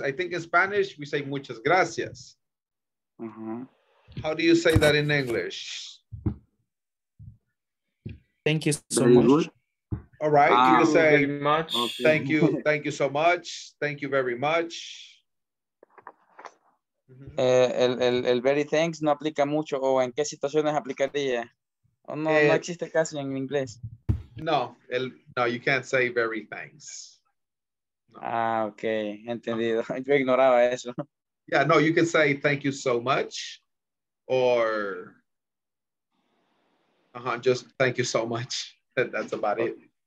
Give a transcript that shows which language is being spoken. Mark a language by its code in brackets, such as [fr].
[en] I think in Spanish we say [es] muchas gracias. [en] Mm-hmm. How do you say that in English? Thank you so very much. Good. All right, you can say very much. Thank you so much. Thank you very much. [es] El [en] very thanks [es] no aplica mucho, o en qué situaciones aplicaría, o no, no existe casi en inglés. [en] No, el, no, you can't say very thanks. [es] No. Ah, okay, entendido. No. Yo ignoraba eso. [en] Yeah, no, you can say thank you so much, or just thank you so much. That's about it.